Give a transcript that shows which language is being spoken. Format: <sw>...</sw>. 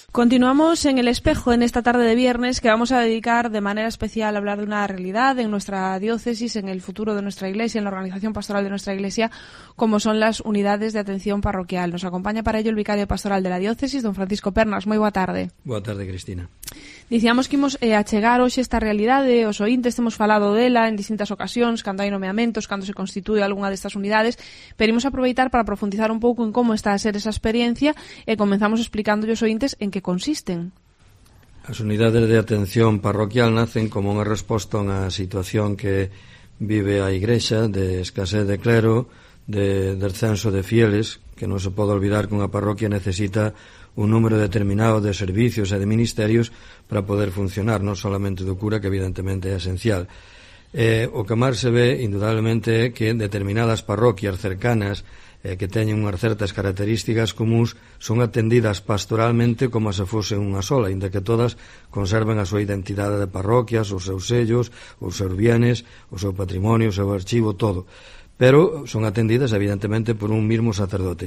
<es>Continuamos en El Espejo en esta tarde de viernes, que vamos a dedicar de manera especial a hablar de una realidad en nuestra diócesis, en el futuro de nuestra iglesia, en la organización pastoral de nuestra iglesia, como son las unidades de atención parroquial. Nos acompaña para ello el vicario pastoral de la diócesis, don Francisco Pernas.</es> <gl>Moi boa tarde. Boa tarde, Cristina. Dicíamos que imos a chegar hoxe esta realidade, os ointes temos falado dela en distintas ocasións, cando hai nomeamentos, cando se constitúe algunha destas unidades, pero imos aproveitar para profundizar un pouco en como está a ser esa experiencia e comenzamos explicándolle aos ointes en que consisten. As unidades de atención parroquial nacen como unha resposta a unha situación que vive a Igrexa, de escasez de clero, de descenso de fieles, que non se pode olvidar que unha parroquia necesita un número determinado de servicios e de ministerios para poder funcionar, non solamente do cura, que evidentemente é esencial. O que máis se ve, indudablemente, é que determinadas parroquias cercanas que teñen unhas certas características comuns son atendidas pastoralmente como se fose unha sola, inda que todas conserven a súa identidade de parroquias, os seus sellos, os seus bienes, o seu patrimonio, o seu archivo, todo. Pero son atendidas, evidentemente, por un mismo sacerdote.</gl>